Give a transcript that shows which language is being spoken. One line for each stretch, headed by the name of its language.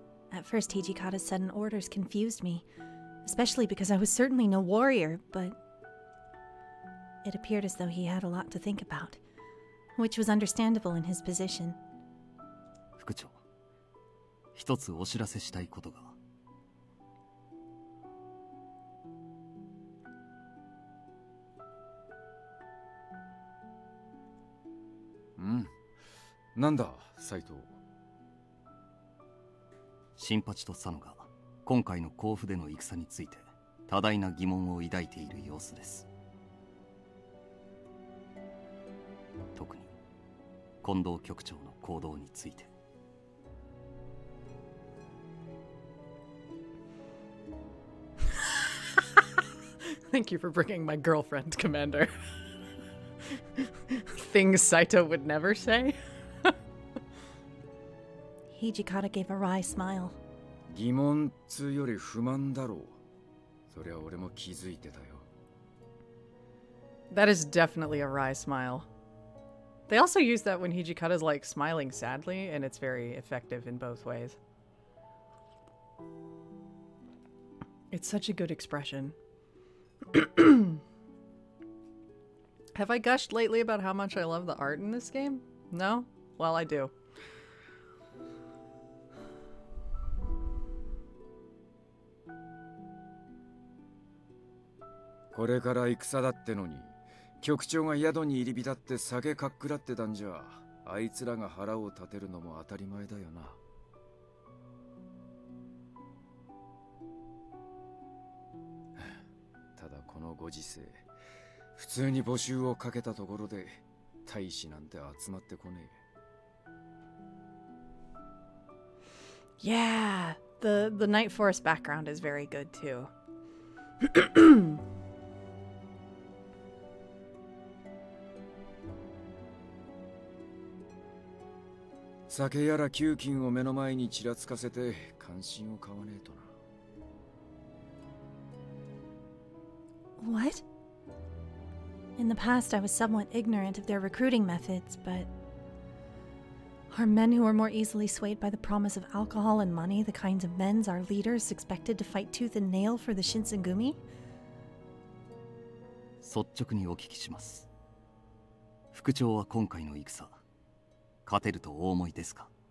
English: At first, Hijikata's sudden orders confused me, especially because I was certainly no warrior, but it appeared as though he had a lot to think about, which was understandable in his position.
Japanese: 副長、一つお知らせしたいことが。うん。なんだ、斎藤。新八と佐野が今回の甲府での戦について多大な疑問を抱いている様子です。特に近藤局長の行動について。
English: Thank you for bringing my girlfriend, Commander. Things Saito would never say. Hijikata gave a wry smile.
Japanese: 疑問つより不満だろう。それは俺も気づいてたよ。
English: That is definitely a wry smile. They also use that when Hijikata is like smiling sadly, and it's very effective in both ways. It's such a good expression. Have I gushed lately about how much I love the art in this game? No? Well, I do.
Japanese: これから戦だってのに、局長が宿に入り浸って酒かっくらってたんじゃ、あいつらが腹を立てるのも当たり前だよな。ただこのご時世、普通に募集をかけたところで大使なんて集まってこねえ。
English: Yeah, the night forest background is very good too.
Japanese: 酒やら給金を目の前にちらつかせて関心を買わねえとな。
English: What? In the past, I was somewhat ignorant of their recruiting methods, but are men who are more easily swayed by the promise of alcohol and money the kinds of men our leaders expected to fight tooth and nail for the Shinsengumi?
Japanese: 率直にお聞きします。副長は今回の戦、勝てるとお思いですか？